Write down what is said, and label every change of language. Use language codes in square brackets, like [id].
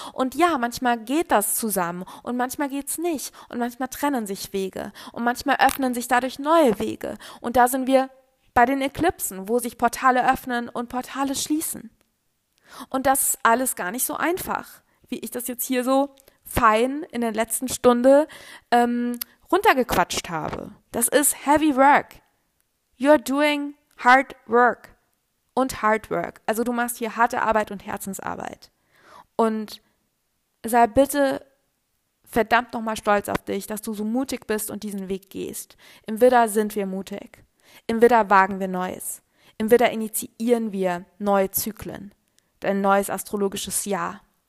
[de] Und ja, manchmal geht das zusammen und manchmal geht's nicht und manchmal trennen sich Wege und manchmal öffnen sich dadurch neue Wege. Und da sind wir bei den Eklipsen, wo sich Portale öffnen und Portale schließen. Und das ist alles gar nicht so einfach, wie ich das jetzt hier so fein in der letzten Stunde runtergequatscht habe. Das ist [en] heavy work. You're doing hard work und hard work. [de] Also du machst hier harte Arbeit und Herzensarbeit. Und sei bitte verdammt nochmal stolz auf dich, dass du so mutig bist und diesen Weg gehst. Im Widder sind wir mutig. Im Widder wagen wir Neues. Im Widder initiieren wir neue Zyklen, dein neues astrologisches Jahr.